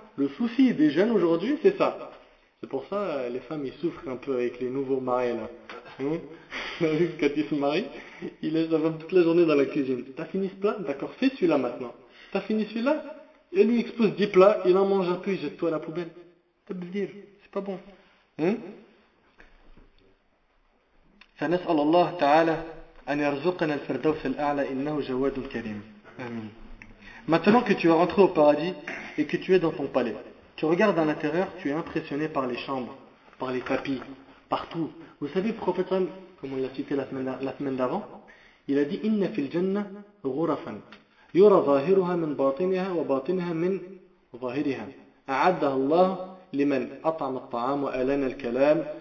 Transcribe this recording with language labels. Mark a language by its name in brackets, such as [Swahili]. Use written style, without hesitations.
[French] Le souci des jeunes aujourd'hui, c'est ça. C'est pour ça que les femmes, ils souffrent un peu avec les nouveaux maris, là. Hein? Quand ils se marient, ils laissent la femme toute la journée dans la cuisine. T'as fini ce plat? D'accord, fais celui-là maintenant. T'as fini celui-là? Elle lui expose 10 plats, il en mange un peu, il jette tout à la poubelle. T'as beau dire, c'est pas bon. Hein? [Arabic] فنسأل الله تعالى أن يرزقنا الفردوس الأعلى إنه جواد كريم. آمين. [French] Maintenant que tu vas rentrer au paradis et que tu es dans ton palais, tu regardes à l'intérieur, tu es impressionné par les chambres, par les tapis, partout. Vous savez, le prophète, comme on l'a cité la semaine d'avant, il a dit [Arabic] إن في الجنة غرفا يرى ظاهرها من باطنها وباطنها من ظاهرها أعدها الله لمن أطعم الطعام وألان الكلام.